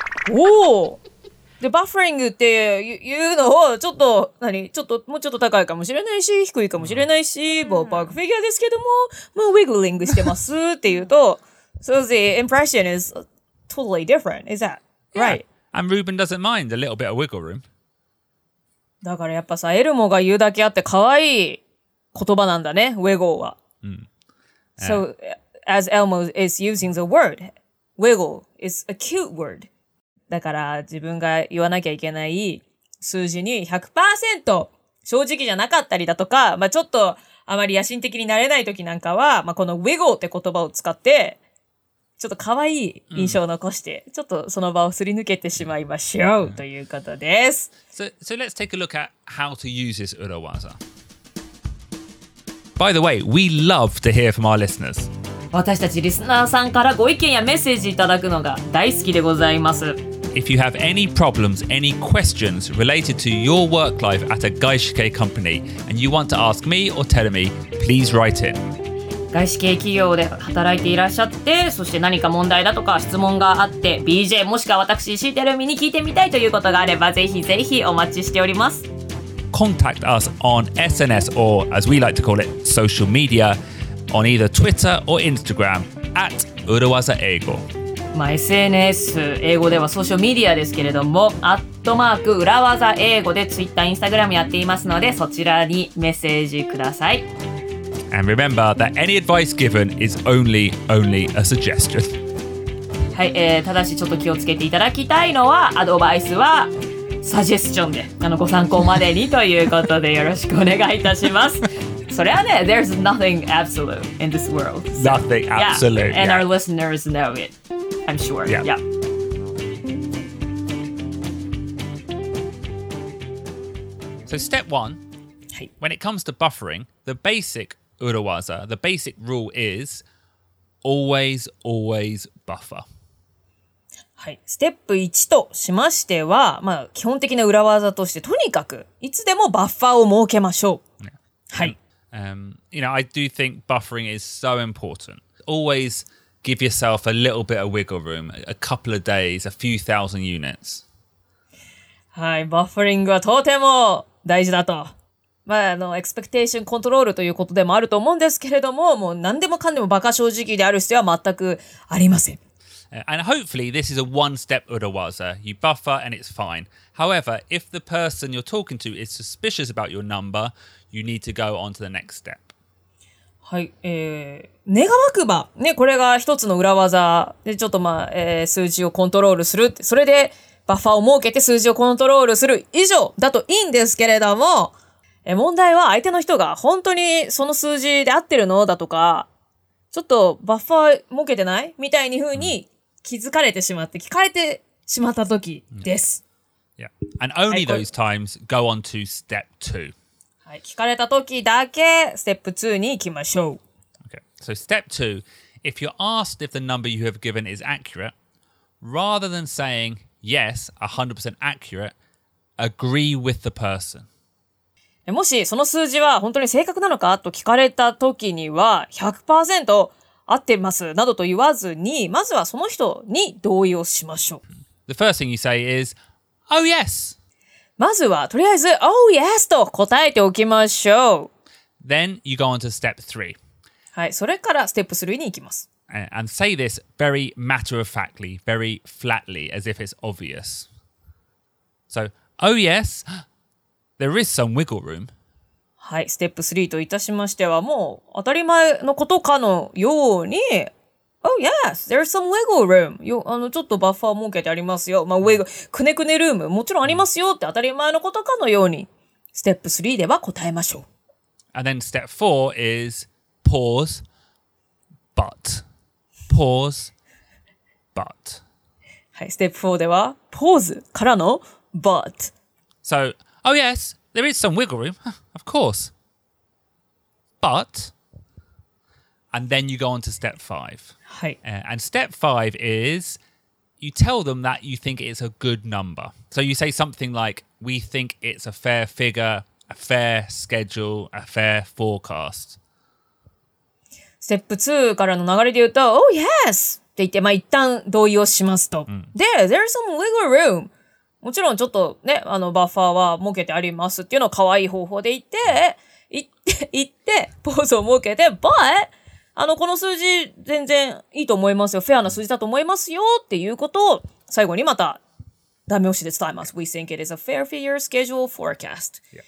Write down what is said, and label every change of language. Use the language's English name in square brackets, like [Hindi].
[Japanese] Oh! Buffering っていうのをちょっと、何? ちょっと、もうちょっと高いかもしれないし、低いかもしれないし、ballpark figure ですけども、もう wiggling してますっていうと、 [English] so the impression is totally different, is that right? Yeah. And Ruben doesn't mind a little bit of wiggle room. [Japanese] だからやっぱさ、エルモが言うだけあって可愛い。言葉なんだね、wiggle は。 [English] So, as Elmo is using the word, wiggle is a cute word. [Japanese] だから自分が言わなきゃいけない数字に 100% 正直じゃなかったりだとか、まあ、ちょっとあまり野心的になれない時なんかは、まあ、この wiggle って言葉を使って、ちょっと可愛い印象を残して、ちょっとその場をすり抜けてしまいましょうということです。 [English] So let's take a look at how to use this urawaza. By the way, we love to hear from our listeners. [Japanese] 私たちリスナーさんからご意見やメッセージいただくのが大好きでございます。 [English] If you have any problems, any questions related to your work life at a Gaishikei company, and you want to ask me or Telemi, please write in. [Japanese] 外資系企業で働いていらっしゃって、そして何か問題だとか質問があって、BJ もしくは私、シテルミに聞いてみたいということがあれば、ぜひぜひお待ちしております。 [English] Contact us on SNS or, as we like to call it, social media, on either Twitter or Instagram, at UrawazaEigo. [Japanese] まあ、SNS 英語ではソーシャルメディアですけれども、アットマーク裏技英語で Twitter、Instagram やっていますので、そちらにメッセージください。 [English] And remember that any advice given is only a suggestion. [Japanese] はい、ただしちょっと気をつけていただきたいのは、アドバイスはサジェスチョンで、ご参考までにということでよろしくお願いいたします。それはね、 [English] There's nothing absolute in this world. Nothing absolute. Yeah, and our listeners know it. I'm sure. Yeah. Yeah. So step one, when it comes to buffering, the basic urawaza, the basic rule is always, always buffer. [Japanese] はい。ステップ1としましては、まあ、基本的な裏技として、とにかく、いつでもバッファーを設けましょう。 [English] Yeah. [Japanese] はい。 [English] You know, I do think buffering is so important. Always... Give yourself a little bit of wiggle room, a couple of days, a few thousand units. [Japanese] はい、バッファリングはとても大事だと。まあ、エクスペクテーションコントロールということでもあると思うんですけれども、もう何でもかんでもバカ正直である必要は全くありません。 [English] And hopefully this is a one-step urawaza. You buffer and it's fine. However, if the person you're talking to is suspicious about your number, you need to go on to the next step. [Japanese] はい、願わくば、ね、これが一つの裏技で、ちょっとまあ、数字をコントロールする。それで、バッファーを設けて数字をコントロールする以上だといいんですけれども、問題は相手の人が本当にその数字で合ってるのだとか、ちょっとバッファー設けてないみたいに風に気づかれてしまって、聞かれてしまった時です。 [English] Yeah. And only those times go on to step two. [Japanese] はい、聞かれた時だけステップ2に行きましょう。 [English] Okay. So step 2, if you're asked if the number you have given is accurate, rather than saying yes, 100% accurate, agree with the person. [Japanese] もしその数字は本当に正確なのかと聞かれた時には 100% 合ってますなどと言わずに、まずはその人に同意をしましょう。 [English] The first thing you say is, oh yes! [Japanese] まずはとりあえず [English] Oh yes [Japanese] と答えておきましょう。 [English] Then you go on to step three. [Japanese] はい、それからステップ3に行きます。 [English] And say this very matter of factly, very flatly, as if it's obvious. So, Oh yes, there is some wiggle room. [Japanese] はい、ステップ3といたしましてはもう当たり前のことかのように [English] Oh yes, there is some wiggle room. [Japanese] ちょっとバッファー設けてありますよ。まあ、くねくねルーム、もちろんありますよって当たり前のことかのように、ステップ3では答えましょう。 [English] And then step 4 is pause, but. Pause, but. [Japanese] はい、ステップ4では、pause からの but. [English] So, oh yes, there is some wiggle room, of course. But... And then you go on to step five. [Japanese] はい。 [English] And step five is, you tell them that you think it's a good number. So you say something like, we think it's a fair figure, a fair schedule, a fair forecast. [Japanese] Step two からの流れで言うと、 [English] Oh yes! [Japanese] って言って、まあ一旦同意をしますと。 [English] There's some wiggle room. [Japanese] もちろんちょっとね、バッファーは設けてありますっていうのを可愛い方法で言って、言って、ポーズを設けて、But! この数字全然いいと思いますよ。フェアな数字だと思いますよっていうことを最後にまたダメ押しで伝えます。 [English] We think it is a fair figure schedule forecast.、